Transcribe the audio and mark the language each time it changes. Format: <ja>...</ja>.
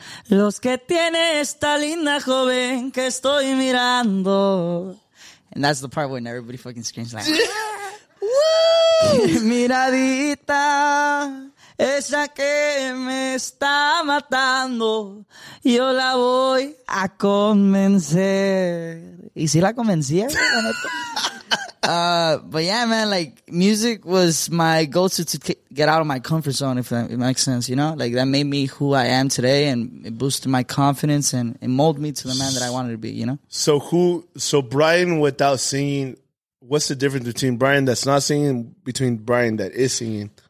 <es>Los que tiene esta linda joven que estoy mirando.</es> <en>And that's the part when everybody fucking screams like, yeah. Woo!</en> <es>Miradita, esa que me está matando, yo la voy a convencer. ¿Y si la convencí?</es> <en>But yeah, man, like, music was my go-to to get out of my comfort zone, if that makes sense, you know? Like, that made me who I am today, and it boosted my confidence, and it molded me to the man that I wanted to be, you know? So Brian without singing, what's the difference between Brian that's not singing between Brian that is singing?</en>